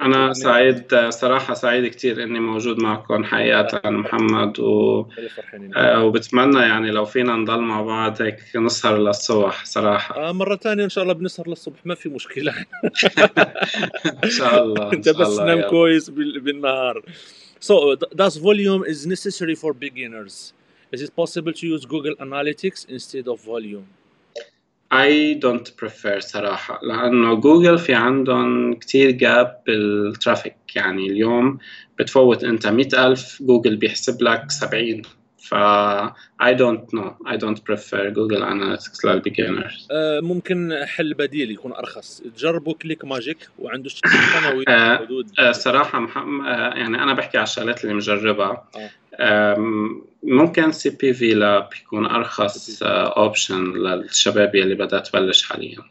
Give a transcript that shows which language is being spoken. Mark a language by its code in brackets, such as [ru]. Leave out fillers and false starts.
[ar] أنا سعيد صراحة، سعيد كتير إني موجود معكم حقيقة محمد، وبتمنى يعني لو فينا نضل مع بعض هيك نسهر للصبح صراحة. مرة تانية إن شاء الله بنسهر للصبح، ما في مشكلة. إن شاء الله. أنت بس نام كويس بالنهار. [en] So does volume is necessary for beginners? Is it possible to use Google Analytics instead of volume? I don't prefer [ar] صراحة، لأنه جوجل في عندهم كتير جاب بالترافيك. يعني اليوم بتفوت أنت 100,000، جوجل بيحسب لك 70. [en] ف I don't know، I don't prefer Google Analytics للبيجينرز. [ar] ممكن حل بديل يكون أرخص، تجربوا كليك ماجيك وعنده الشركة قنوية حدود. صراحة يعني أنا بحكي على الشغلات اللي مجربة. ممكن CPV Lab يكون أرخص option للشباب اللي بدأ تبلش حاليا.